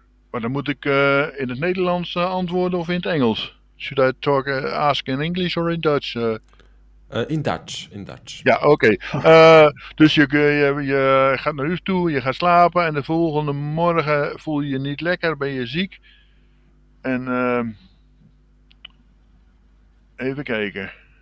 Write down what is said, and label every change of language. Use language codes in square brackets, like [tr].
[nl] maar dan moet ik in het Nederlands antwoorden of in het Engels? [en] Should I talk ask in English or in Dutch? In Dutch. [nl] Ja, oké. Dus je gaat naar huis toe, je gaat slapen en de volgende morgen voel je je niet lekker, ben je ziek en even kijken.